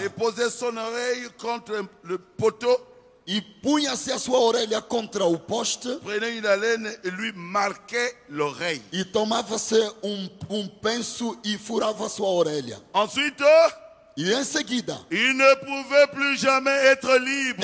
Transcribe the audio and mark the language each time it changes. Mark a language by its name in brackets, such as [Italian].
[French] Et posait son oreille contre le poteau. [Portuguese] E punha-se a sua orelha contra o poste. [French] Prenait une haleine et lui marquait l'oreille. [Portuguese] E tomava-se um penso e furava a sua orelha. [French] Ensuite, [Spanish] Y enseguida, [French] il ne pouvait plus jamais être libre.